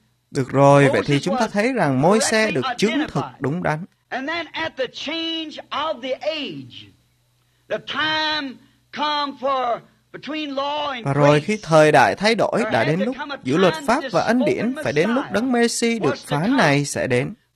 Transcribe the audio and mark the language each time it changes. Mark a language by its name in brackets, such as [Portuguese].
[Vietnamese] Được rồi, vậy thì chúng ta thấy rằng Môi-se được chứng thực đúng đắn. [English] And then at the change of the age, the time come for between law and grace. [Vietnamese] Và rồi khi thời đại thay đổi đã đến lúc giữa luật pháp và ân điển phải đến lúc Đấng Mêsi được phán này sẽ đến.